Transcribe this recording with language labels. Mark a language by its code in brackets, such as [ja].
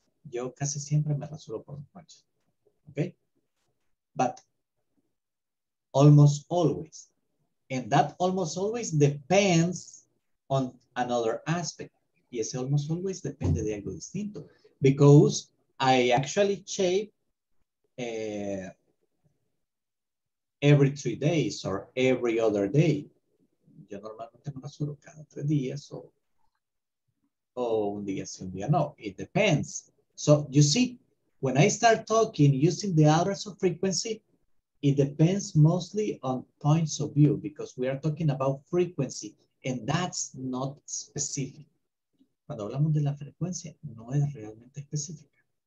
[es] Yo casi siempre me rasuro por las noches. [en] Okay? But almost always. And that almost always depends on another aspect. [es] Y ese almost always depende de algo distinto. [en] Because I actually shave every 3 days or every other day. [es] Yo normalmente me rasuro cada 3 días o... Oh, un día sí, un día no. [en] It depends. So you see, when I start talking using the adverbs of frequency, it depends mostly on points of view because we are talking about frequency and that's not specific. [es] Cuando hablamos de la frecuencia, no es realmente específica.